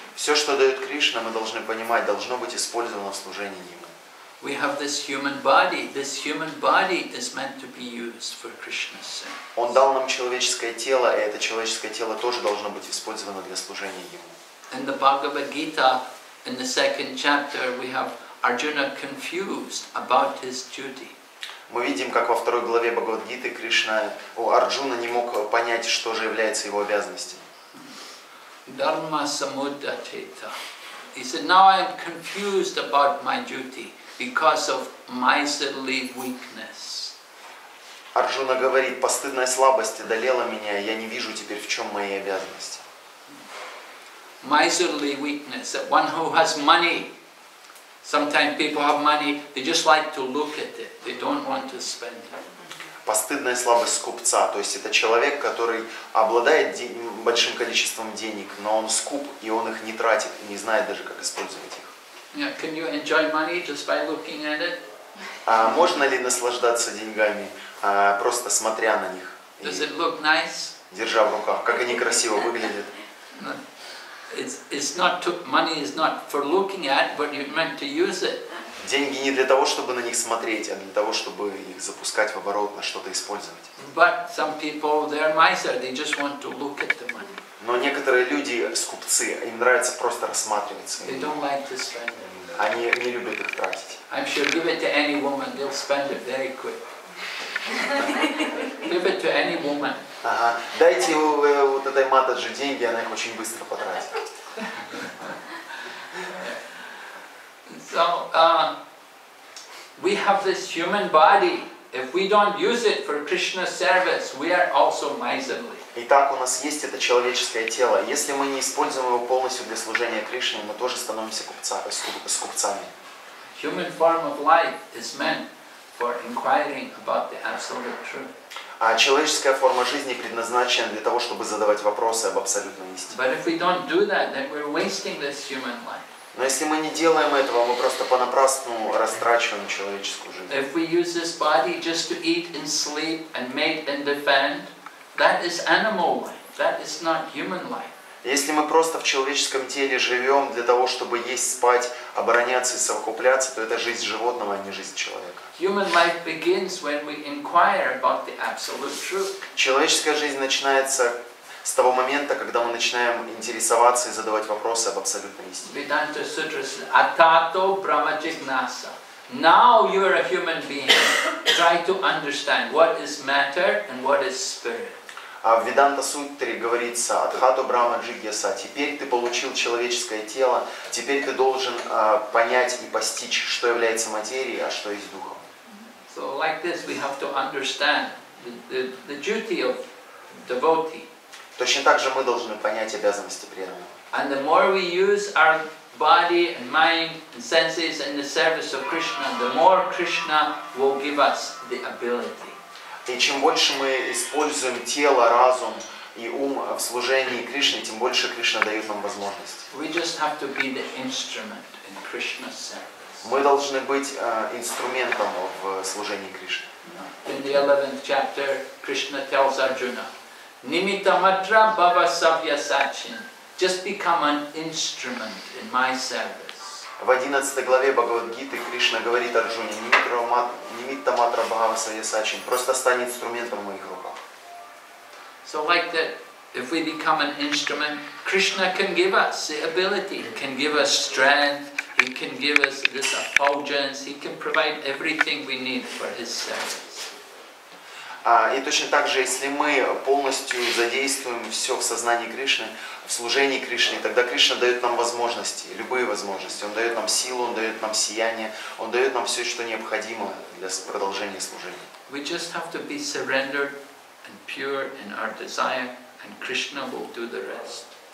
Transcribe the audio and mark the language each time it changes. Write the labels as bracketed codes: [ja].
[ru] Все, что дает Кришна, мы должны понимать, должно быть использовано в служении Ему. [en] We have this human body is meant to be used for Krishna's service. [ru] Он дал нам человеческое тело, и это человеческое тело тоже должно быть использовано для служения Ему. [en] In the Bhagavad Gita, in the second chapter, we have Arjuna confused about his duty. [ru] Мы видим, как во второй главе Бхагавад-гиты Кришна, Арджуна не мог понять, что же является его обязанностью. [sa] Dharma samudateta. [en] He said, now I am confused about my duty because of miserly weakness. [ru] Арджуна говорит, постыдная слабость одолела меня, я не вижу теперь, в чем мои обязанности. [en] Miserly weakness. That one who has money. Sometimes people have money, they just like to look at it. They don't want to spend it. [ru] Постыдная слабость скупца, то есть это человек, который обладает большим количеством денег, но он скуп, и он их не тратит, и не знает даже, как использовать их. [en] Yeah, can you enjoy money just by looking at it? [ru] Можно ли наслаждаться деньгами, просто смотря на них? [en] Does it look nice? [ru] Держа в руках, как они красиво выглядят. [en] It's not to, money is not for looking at, but you're meant to use it. [ru] Деньги не для того, чтобы на них смотреть, а для того, чтобы их запускать в оборот, на что-то использовать. [en] But some people, they're miser, they just want to look at the money. [ru] Но некоторые люди скупцы, им нравится просто рассматривать свои. [en] They don't like to spend it. [ru] Они не любят их тратить. [en] I'm sure give it to any woman, they'll spend it very quick. Give it to any woman. Ага. [ru] Дайте вот этой матаджи деньги, она их очень быстро потратит. [en] So, we have this human body. If we don't use it for Krishna's service, we are also miserly. [ru] Итак, у нас есть это человеческое тело. Если мы не используем его полностью для служения Кришне, мы тоже становимся скупцами. [en] Human form of life is meant for inquiring about the absolute truth. [ru] А человеческая форма жизни предназначена для того, чтобы задавать вопросы об абсолютной истине. [en] But if we don't do that, then we're wasting this human life. [ru] Но если мы не делаем этого, мы просто понапрасну растрачиваем человеческую жизнь. [en] If we use this body just to eat and sleep and mate and defend, that is animal life. That is not human life. [ru] Если мы просто в человеческом теле живем для того, чтобы есть, спать, обороняться и совокупляться, то это жизнь животного, а не жизнь человека. [en] Human life begins when we inquire about the absolute truth. [ru] Человеческая жизнь начинается с того момента, когда мы начинаем интересоваться и задавать вопросы об абсолютной истине. [en] Vedanta Sutra says, [sa] Atato Brahma Jignasa. [en] Now you are a human being. Try to understand what is matter and what is spirit. [ru] А в Веданта Сутре говорится [sa] «Адхату Брама Джигьяса» [ru] «Теперь ты получил человеческое тело, теперь ты должен понять и постичь, что является материей, а что есть духом». [en] So like this we have to understand the duty of devotee. [ru] Точно так же мы должны понять обязанности преданного. [en] And the more we use our body and mind and senses in the service of Krishna, the more Krishna will give us the ability. [ru] И чем больше мы используем тело, разум и ум в служении Кришне, тем больше Кришна дает нам возможность. [en] We just have to be the instrument in Krishna's service. [ru] Мы должны быть инструментом в служении Кришне. [en] In the 11th chapter, Krishna tells Arjuna, [sa] Nimita matra bhava savya sachin. [en] Just become an instrument in my service. [ru] В 11 главе Бхагавад-гиты Кришна говорит Арджуне, [sa] «Нимитта матра бхава савья сачин», [ru] просто станет инструментом в моих руках. [en] So like that, if we become an instrument, Krishna can give us the ability, he can give us strength, he can give us this effulgence, he can provide everything we need for his service. [ru] И точно так же, если мы полностью задействуем все в сознании Кришны, в служении Кришне, тогда Кришна дает нам возможности, любые возможности. Он дает нам силу, Он дает нам сияние, Он дает нам все, что необходимо для продолжения служения. [en] We just have to be surrendered and pure in our desire, and Krishna will do the rest.